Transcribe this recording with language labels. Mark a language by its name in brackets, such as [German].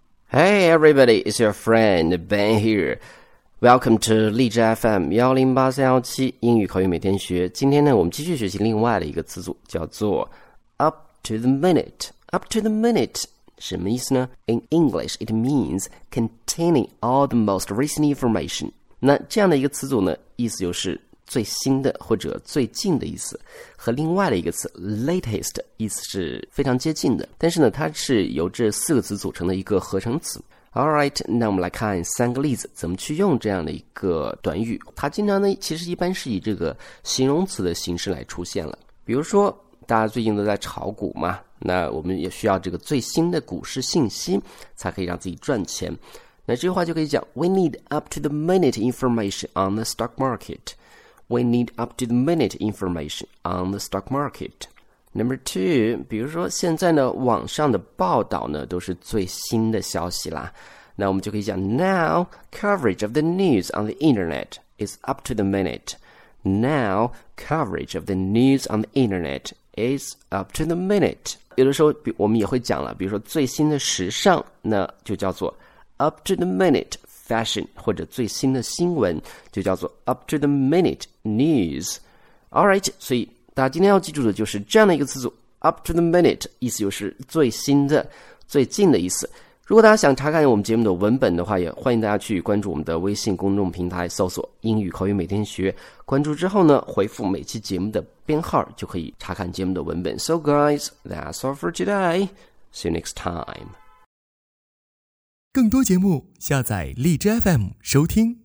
[English] Hey everybody, it's your friend Ben here. Welcome to 荔枝 FM 108317 [Chinese] 英语口语每天学。今天呢，我们继续学习另外的一个词组，叫做 [English] up to the minute. Up to the minute [Chinese] 什么意思呢？ [English] In English, it means containing all the most recent information. [Chinese] 那这样的一个词组呢，意思就是最新的或者最近的意思，和另外的一个词 latest 意思是非常接近的，但是呢，它是由这四个词组成的一个合成词。 [English] Alright, [Chinese] 那我们来看三个例子，怎么去用这样的一个短语。它经常呢，其实一般是以这个形容词的形式来出现了。比如说大家最近都在炒股嘛，那我们也需要这个最新的股市信息才可以让自己赚钱。那这句话就可以讲 [English] We need up to the minute information on the stock marketWe need up-to-the-minute information on the stock market. Number two, [Chinese] 比如说现在呢，网上的报道呢，都是最新的消息啦。那我们就可以讲 [English] Now, coverage of the news on the internet is up-to-the-minute. Now, coverage of the news on the internet is up-to-the-minute. [Chinese] 有的时候我们也会讲了，比如说最新的时尚，那就叫做 [English] up-to-the-minute. Fashion [Chinese] 或者最新的新闻就叫做 [English] up to the minute news. Alright, [Chinese] 所以大家今天要记住的就是这样的一个词组 [English] up to the minute, [Chinese] 意思就是最新的最近的意思。如果大家想查看我们节目的文本的话，也欢迎大家去关注我们的微信公众平台，搜索英语口语每天学，关注之后呢，回复每期节目的编号就可以查看节目的文本。 [English] So guys, that's all for today. See you next time. [Chinese] 更多节目，下载荔枝 FM 收听。